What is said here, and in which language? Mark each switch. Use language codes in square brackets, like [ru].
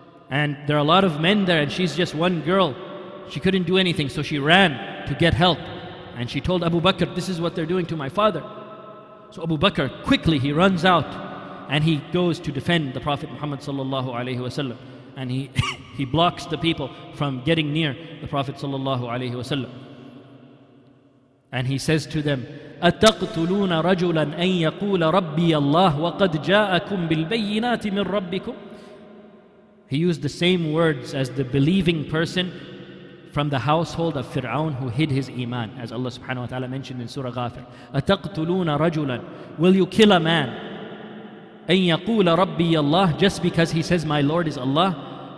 [en] And there are a lot of men there and she's just one girl. She couldn't do anything, so she ran to get help. And she told Abu Bakr, this is what they're doing to my father. So Abu Bakr, quickly he runs out and he goes to defend the Prophet Muhammad sallallahu alaihi wasallam. And he blocks the people from getting near the Prophet sallallahu alaihi wasallam. And he says to them, [ar] أَتَقْتُلُونَ رَجُلًا أَن يَقُولَ رَبِّيَ اللَّهُ وَقَدْ جَاءَكُمْ بِالْبَيِّنَاتِ مِنْ رَبِّكُمْ. [en] He used the same words as the believing person from the household of Fir'aun who hid his iman, as Allah subhanahu wa ta'ala mentioned in Surah Ghafir. [ar] أَتَقْتُلُونَ رَجُلًا. [en] Will you kill a man? [ar] أَن يَقُولَ رَبِّيَ اللَّهُ. [en] Just because he says my Lord is Allah.